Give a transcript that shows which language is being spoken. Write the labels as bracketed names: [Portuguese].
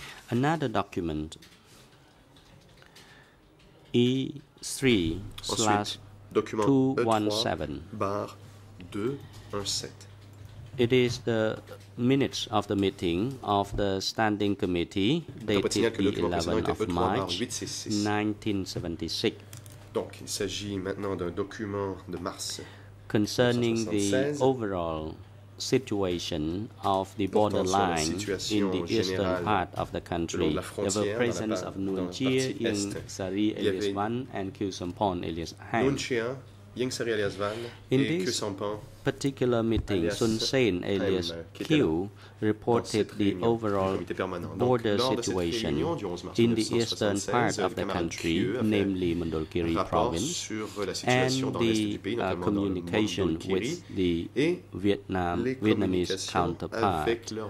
[English] Another document, E3/217. It is the minutes of the meeting of the Standing Committee dated the 11th of March 1976. [French] Donc, il s'agit maintenant d'un document de mars [English] concerning 1976. The overall situation of the borderline in the eastern part of the country, the presence of Nguyen Chia, Yeng Sari alias Van, and Khieu Samphan alias Han. In this particular meeting, Sun Sen alias Khieu reported the overall border situation in the eastern part of the country, namely Mondulkiri province, and the communication with the Vietnamese counterpart.